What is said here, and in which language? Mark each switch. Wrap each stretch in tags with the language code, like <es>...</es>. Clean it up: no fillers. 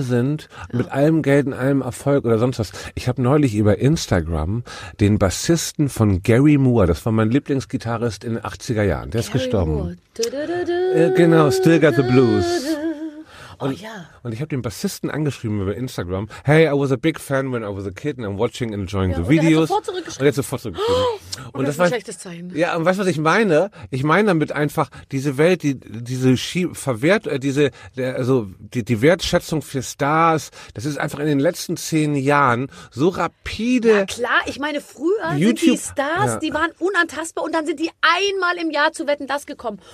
<de>sind, ja, mit allem Geld und allem Erfolg oder sonst was. Ich habe neulich über Instagram den Bassisten von Gary Moore, das war mein Lieblingsgitarrist in den 80er Jahren, der ist gestorben. Genau, Still Got the Blues. Und,</de> <en>oh, yeah,</en> <de>und ich habe den Bassisten angeschrieben über Instagram.</de> <en>Hey, I was a big fan when I was a kid and I'm watching and enjoying the videos.</en> <de>Und er hat sofort zurückgeschrieben. Und das ist ein schlechtes Zeichen. Ja, und weißt du, was ich meine? Ich meine damit einfach diese Welt, die Wertschätzung für Stars, das ist einfach in den letzten 10 Jahren so rapide. Ja, klar, ich meine, früher YouTube, sind die Stars, ja, die waren unantastbar und dann sind die einmal im Jahr zu Wetten, das gekommen.</de>